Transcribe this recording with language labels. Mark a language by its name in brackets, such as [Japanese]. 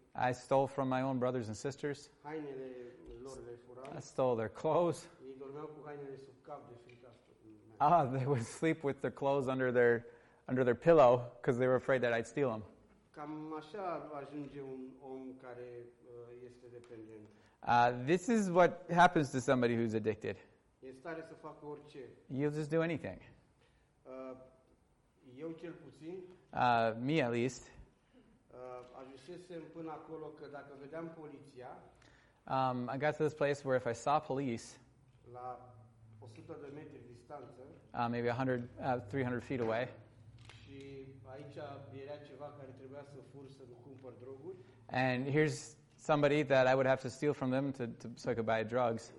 [English] I stole from my own brothers and sisters. [Romanian] Hainele lor le furam. [English] I stole their clothes. [Romanian] Ei dormeau cu hainele sub cap de frică. [English] They would sleep with their clothes under their pillow because they were afraid that I'd steal them. [Romanian] Cam așa ajunge un om care este dependent. [English] This is what happens to somebody who's addicted. [Romanian] E stare să facă orice. [English] You'll just do anything. [Romanian] Eu cel puțin. [English] Me at least. [Romanian] Ajunsesem până acolo că dacă vedeam poliția, [English] I got to this place where if I saw police [Romanian] la 100 de metri distanță, [English] maybe 100, 300 feet away, [Romanian] și aici era ceva care trebuia să fur să-mi cumpăr droguri, [English] and here's somebody that I would have to steal from them to so I could buy drugs,